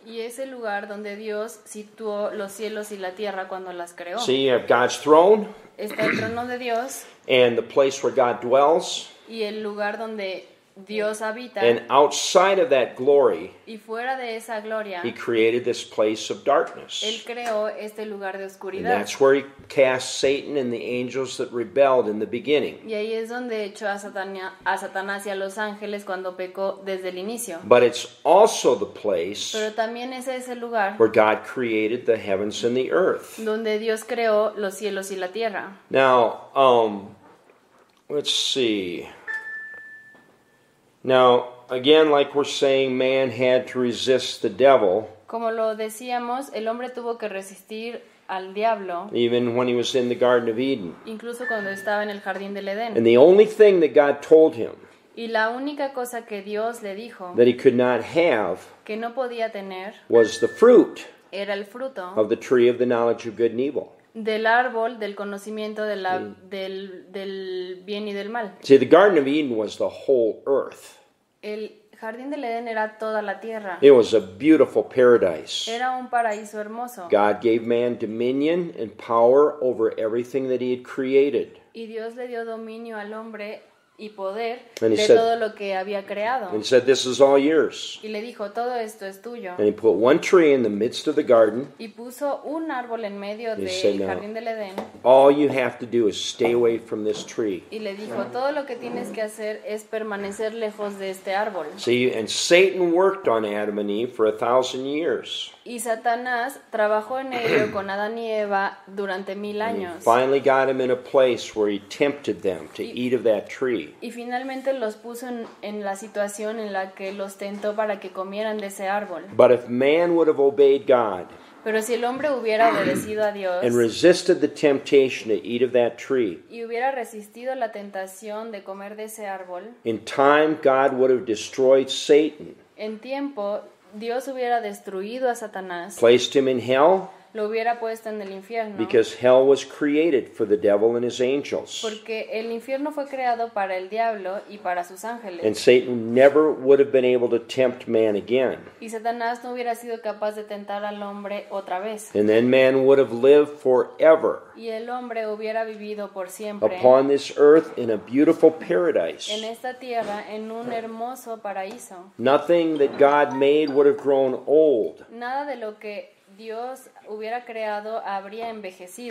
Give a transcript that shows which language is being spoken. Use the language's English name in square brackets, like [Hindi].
[Spanish] Y es el lugar donde Dios situó los cielos y la tierra cuando las creó. [English] See, you have God's throne. [Spanish] Está el trono de Dios. [English] And the place where God dwells. [Spanish] Y el lugar donde Dios habita. [English] And outside of that glory. [Spanish] Y fuera de esa gloria. [English] He created this place of darkness. [Spanish] Él creó este lugar de oscuridad. [English] And that's where he cast Satan and the angels that rebelled in the beginning. [Spanish] Y ahí es donde echó a Satanás y a los ángeles cuando pecó desde el inicio. [English] But it's also the place. [Spanish] Pero también ese es el lugar. [English] Where God created the heavens and the earth. [Spanish] Donde Dios creó los cielos y la tierra. [English] Now, let's see. Now, again, like we're saying, man had to resist the devil. [Spanish] Como lo decíamos, el hombre tuvo que resistir al diablo. [English] Even when he was in the Garden of Eden. [Spanish] Incluso cuando estaba en el Jardín del Edén. [English] And the only thing that God told him. [Spanish] Y la única cosa que Dios le dijo. [English] That he could not have. [Spanish] Que no podía tener. [English] Was the fruit. [Spanish] Era el fruto. [English] Of the tree of the knowledge of good and evil. [Spanish] Del árbol del conocimiento de la, del bien y del mal. [English] See, the Garden of Eden was the whole earth. [Spanish] El Jardín del Edén era toda la tierra. [English] It was a beautiful paradise. [Spanish] Era un paraíso hermoso. [English] God gave man dominion and power over everything that he had created. [Spanish] Y Dios le dio dominio al hombre y poder de said, todo lo que había creado. [English] And he said, this is all yours. [Spanish] Y le dijo, todo esto es tuyo. [English] And he put one tree in the midst of the garden. [Spanish] Y puso un árbol en medio del Jardín del Edén. [English] All you have to do is stay away from this tree. [Spanish] Y le dijo, todo lo que tienes que hacer es permanecer lejos de este árbol. [English] See, and Satan worked on Adam and Eve for 1,000 years. [Spanish] Y Satanás trabajó en ello con Adán y Eva durante 1,000 años. [English] And he finally got him in a place where he tempted them to eat of that tree. [Spanish] Y finalmente los puso en la situación en la que los tentó para que comieran de ese árbol. [English] But if man would have obeyed God, [Spanish] pero si el hombre hubiera obedecido a Dios [English] and resisted the temptation to eat of that tree, [Spanish] y hubiera resistido la tentación de comer de ese árbol, [English] in time God would have destroyed Satan, [Spanish] en tiempo Dios hubiera destruido a Satanás, [English] placed him in hell, [Spanish] lo hubiera puesto en el infierno. [English] Because hell was created for the devil and his angels. [Spanish] Porque el infierno fue creado para el diablo y para sus ángeles. [English] And Satan never would have been able to tempt man again. [Spanish] Y Satanás no hubiera sido capaz de tentar al hombre otra vez. [English] And then man would have lived forever. [Spanish] Y el hombre hubiera vivido por siempre. [English] Upon this earth in a beautiful paradise. [Spanish] En esta tierra, en un hermoso paraíso. [English] Nothing that God made would have grown old. [Spanish] Nada de lo que Dios hubiera creado, habría envejecido.